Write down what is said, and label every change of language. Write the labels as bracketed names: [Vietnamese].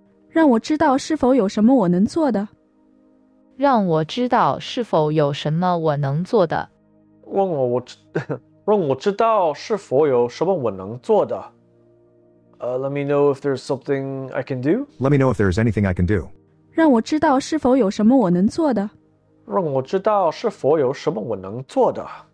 [Chinese] 让我知道是否有什么我能做的。让我知道是否有什么我能做的。问我我。让我知道是否有什么我能做的。 [English] Let me know if there's something I can do. Let me know if there's anything I can do. [Chinese] 让我知道是否有什么我能做的。让我知道是否有什么我能做的。